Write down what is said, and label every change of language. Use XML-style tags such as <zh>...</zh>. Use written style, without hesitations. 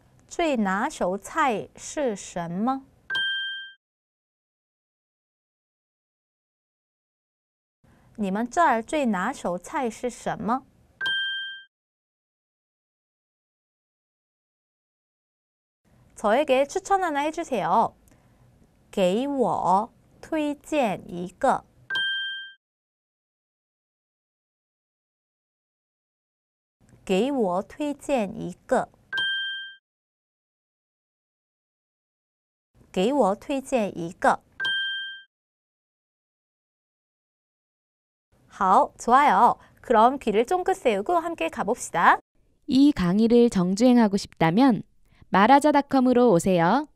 <zh>你们这儿最拿手菜是什么? 你们这儿最拿手菜是什么?</zh> <ko>저에게 추천 하나 해주세요.</ko> <zh>给我推荐一个.给我推荐一个.给我推荐一个.好,</zh> <ko>좋아요. 그럼 귀를 쫑긋 세우고 함께 가봅시다. 이 강의를 정주행하고 싶다면 말하자.com으로 오세요.</ko>